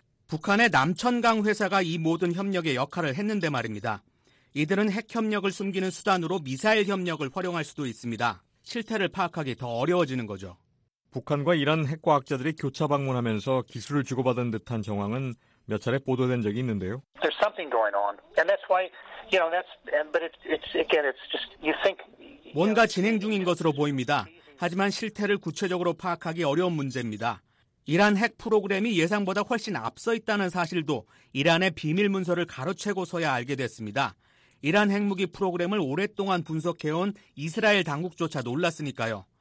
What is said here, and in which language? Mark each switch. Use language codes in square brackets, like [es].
[ko] 북한의 남천강 회사가 이 모든 협력의 역할을 했는데 말입니다. 이들은 핵협력을 숨기는 수단으로 미사일 협력을 활용할 수도 있습니다. 실태를 파악하기 더 어려워지는 거죠. 북한과 이란 핵과학자들이 교차 방문하면서 기술을 주고받은 듯한 정황은 몇 차례 보도된 적이 있는데요. [en] There's something going on. And that's why, you know, that's but it's again it's just you think [ko] 뭔가 진행 중인 것으로 보입니다. 하지만 실태를 구체적으로 파악하기 어려운 문제입니다. 이란 핵 프로그램이 예상보다 훨씬 앞서 있다는 사실도 이란의 비밀 문서를 가로채고서야 알게 됐습니다. 이란 핵무기 프로그램을 오랫동안 분석해온 이스라엘 당국조차 놀랐으니까요.